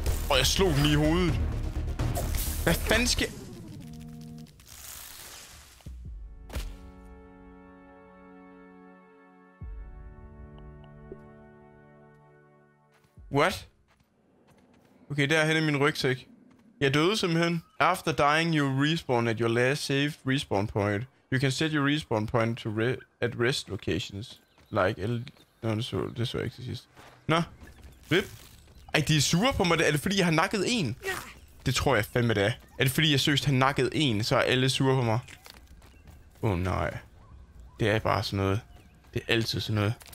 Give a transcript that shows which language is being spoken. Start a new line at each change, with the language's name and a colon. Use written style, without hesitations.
Danish: Åh, jeg slog den lige i hovedet. Hvad fanden sker?
English: What?
Danish: Okay, derhen er min rygsæk. Jeg døde simpelthen.
English: After dying, you respawn at your last saved respawn point. You can set your respawn point to at rest locations. Like...
Danish: Nå, det så jeg ikke til sidst. Nå. Rip. Ej, de er sure på mig. Er det fordi, jeg har nakket en? Det tror jeg fandme, det er. Er det fordi, jeg seriøst har nakket en, så er alle sure på mig? Nej. Det er bare sådan noget. Det er altid sådan noget.